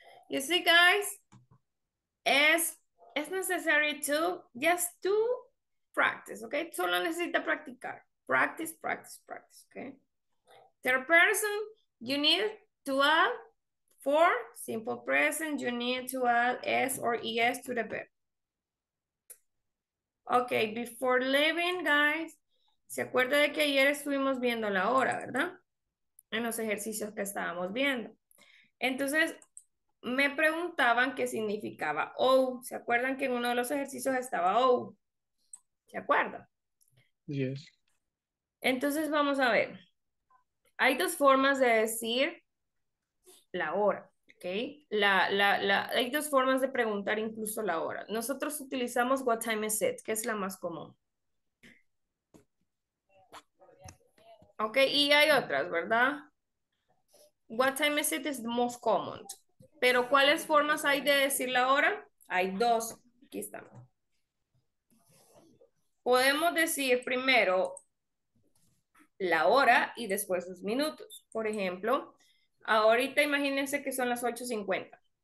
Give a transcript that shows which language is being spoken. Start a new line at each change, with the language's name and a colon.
English: You see, guys, it's necessary to just to practice, okay?
Spanish: Solo necesita practicar.
English: Practice, okay? Third person, you need to add for simple present, you need to add S or ES to the verb. Okay, before leaving, guys,
Spanish: ¿se acuerda de que ayer estuvimos viendo la hora, verdad? En los ejercicios que estábamos viendo. Entonces, me preguntaban qué significaba O. ¿Se acuerdan que en uno de los ejercicios estaba O? ¿Se acuerdan?
English: Yes.
Spanish: Entonces, vamos a ver. Hay dos formas de decir la hora, ¿ok? Okay. Hay dos formas de preguntar incluso la hora. Nosotros utilizamos
English: what time is it,
Spanish: que es la más común. Ok, y hay otras, ¿verdad?
English: What time is it is the most common.
Spanish: Pero, ¿cuáles formas hay de decir la hora? Hay dos. Aquí están. Podemos decir primero la hora y después los minutos. Por ejemplo, ahorita imagínense que son las 8:50.